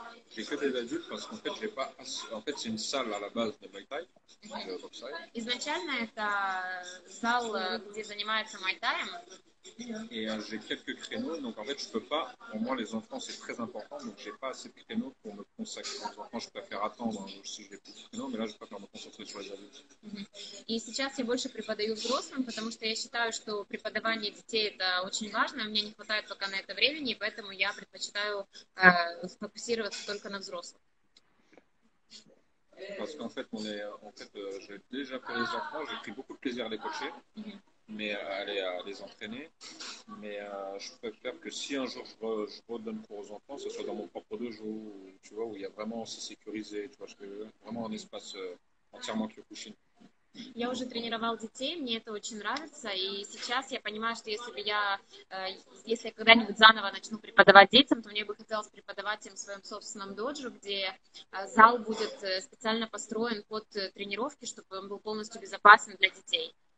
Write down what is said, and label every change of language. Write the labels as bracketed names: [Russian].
[French] J'ai que des adultes parce qu'en fait j'ai pas en fait c'est une salle à la base de Muay Thai. [Russian] Изначально это зал, где занимается Muay Thai. [French] Et j'ai quelques créneaux, donc en fait je peux pas, pour moi les enfants c'est très important, donc j'ai pas assez de créneaux pour me consacrer. Enfin, je préfère attendre si j'ai plus de créneaux, mais là je préfère me concentrer sur les adultes. [Russian] И сейчас я больше преподаю взрослым, потому что я считаю, что преподавание детей это очень важно, мне не хватает пока на это времени, поэтому я предпочитаю сфокусироваться только на взрослых. [French] parce qu'en fait, on est, en fait, j'ai déjà pour les enfants, j'ai pris beaucoup de plaisir à les coacher, mais à aller à les entraîner. Mais je préfère que si un jour je redonne cours aux enfants, ce soit dans mon propre dojo, tu vois, où il y a vraiment, c'est sécurisé, tu vois, vraiment un espace entièrement Kyokushin. [Russian] Я уже тренировал детей, мне это очень нравится, и сейчас я понимаю, что если я когда-нибудь заново начну преподавать детям, то мне бы хотелось преподавать им в своем собственном доджо, где зал будет специально построен под тренировки, чтобы он был полностью безопасен для детей.